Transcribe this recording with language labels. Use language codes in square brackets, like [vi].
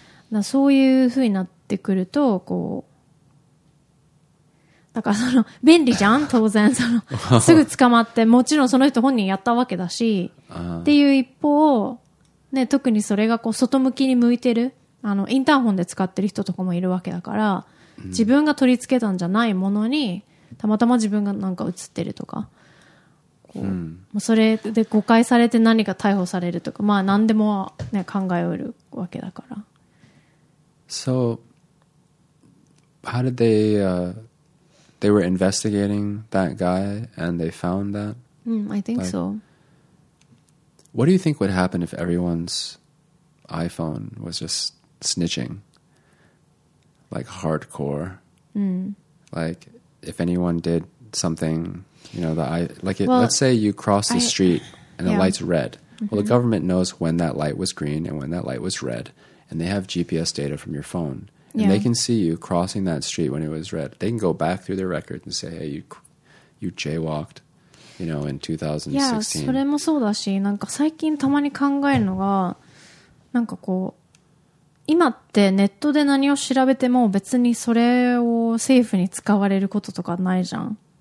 [ja] だそういう風になってくると、こう、だからその、便利じゃん当然、その、すぐ捕まって、もちろんその人本人やったわけだし、っていう一方、ね、特にそれがこう外向きに向いてる、あのインターホンで使ってる人とかもいるわけだから、自分が取り付けたんじゃないものにたまたま自分がなんか映ってるとか、こう、それで誤解されて何か逮捕されるとか、まあ何でも、ね、考えうるわけだから。 [en] So, how did they, they were investigating that guy and they found that? I think so. What do you think would happen if everyone's iPhone was just snitching? Like hardcore. Like if anyone did something, you know, let's say you cross the street and the light's red. Well, the government knows when that light was green and when that light was red. And they have GPS data from your phone. And they can see you crossing that street when it was red. They can go back through their record and say, hey, you jaywalked. You know, in 2016. [ja] Yeah, それもそうだし、なんか最近たまに考えるのが、なんかこう、今ってネットで何を調べても別にそれを政府に使われることとかないじゃん。